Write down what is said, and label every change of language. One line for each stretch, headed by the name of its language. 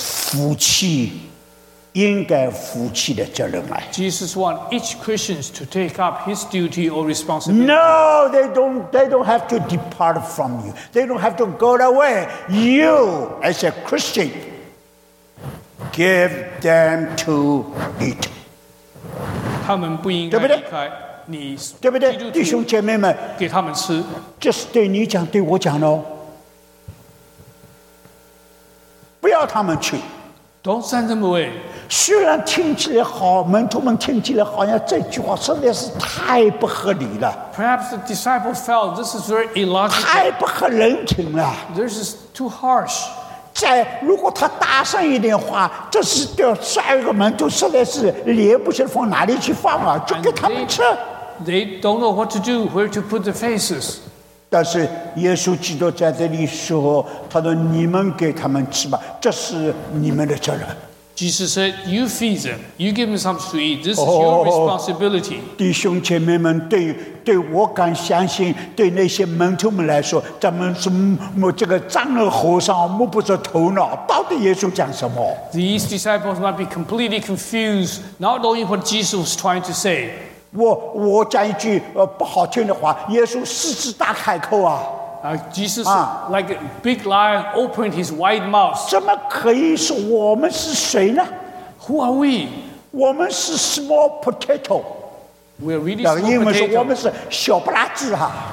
Chinese: 弟兄姐妹们，你从这一点你看见，耶稣基督他的心意要每一个基督徒服气。
English: Jesus wants each Christian to take up his duty or responsibility. No, they don't have to depart from you. They don't have to go away. You, as a Christian, give them to eat.
Chinese: 他们不应该离开你，对不对？弟兄姐妹们，给他们吃。这是对你讲，对我讲的哦。不要他们去。
English: Don't send them away.
Chinese: 虽然听起来好，门徒们听起来好像这句话实在是太不合理了。
English: Perhaps the disciples felt this is very illogical.
Chinese: 太不合人情了。
English: This is too harsh.
Chinese: 再如果他大声一点话，这是叫12个门徒实在是脸不晓得放哪里去放啊，就给他们吃。
English: They don't know what to do, where to put the faces.
Chinese: 但是耶稣基督在这里说，他说你们给他们吃吧，这是你们的责任。
English: Jesus said, "You feed them. You give them something to eat. This is your responsibility."
Chinese: 弟兄姐妹们，对我敢相信，对那些门徒们来说，咱们是摸这个丈二和尚摸不着头脑，到底耶稣讲什么
English: ？These disciples might be completely confused, not knowing what Jesus was trying to say.
Chinese: 我讲一句不好听的话，耶稣狮子大开口啊！
English: Jesus, like a big lion, opened his wide mouth.
Chinese: 怎么可以说我们是谁呢
English: ？Who are we?
Chinese: 我们是
English: small potato. We're really small potatoes.
Chinese: 那个英文说我们是小不拉几啊。